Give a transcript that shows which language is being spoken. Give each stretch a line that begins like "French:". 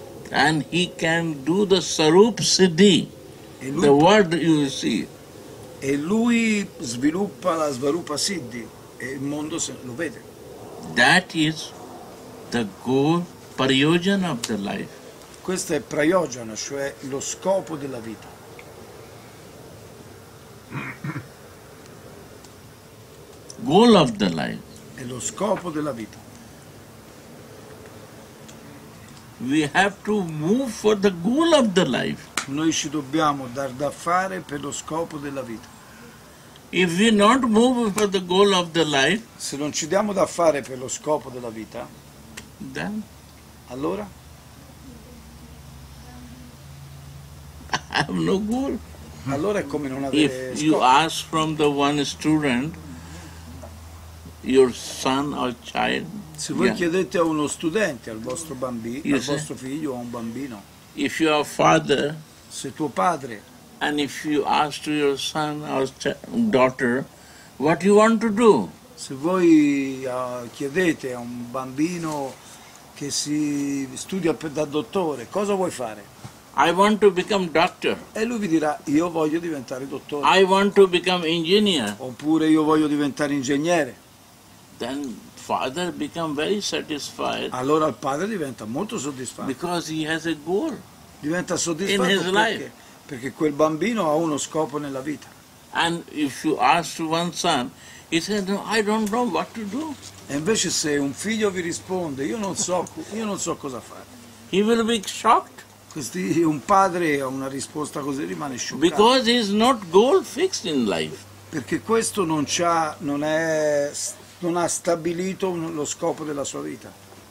English: And he can do the sarup siddhi, the word you see.
Italian: E lui sviluppa la svarupa siddhi e il mondo se lo vede.
English: That is the goal, prayojana of the life.
Italian: Questo è prayojana, cioè lo scopo della vita.
English: Goal of the life.
Italian: È lo scopo della vita.
English: We have to move for the goal of the life.
Italian: Noi ci dobbiamo dar da fare per lo scopo della vita.
English: If we not move for the goal of the life,
Italian: se non ci diamo da fare per lo scopo della vita,
English: then,
Italian: allora,
English: I have no goal.
Italian: Allora è come non avere
English: scopo. If you ask from the one student, your son or child.
Italian: Se voi chiedete a uno studente, al vostro bambino, al vostro figlio o a un bambino,
English: if you are father,
Italian: se tuo padre,
English: and if you ask to your son or daughter, what you want to do?
Italian: Se voi chiedete a un bambino che si studia da dottore, cosa vuoi fare?
English: I want to become doctor.
Italian: E lui vi dirà, io voglio diventare dottore.
English: I want to become engineer.
Italian: Oppure io voglio diventare ingegnere.
English: Then father become very satisfied.
Italian: Allora il padre diventa molto soddisfatto.
English: Because he has a goal.
Italian: Diventa soddisfatto
English: in his life.
Italian: Perché quel bambino ha uno scopo nella vita.
English: And if you ask one son, he says, no, I don't know what to do.
Italian: E invece se un figlio vi risponde, io non so cosa fare.
English: He will be shocked.
Italian: Questi un padre ha una risposta così rimane scioccato.
English: Because he's not goal fixed in life.
Italian: Perché questo non ha stabilito lo scopo della sua vita.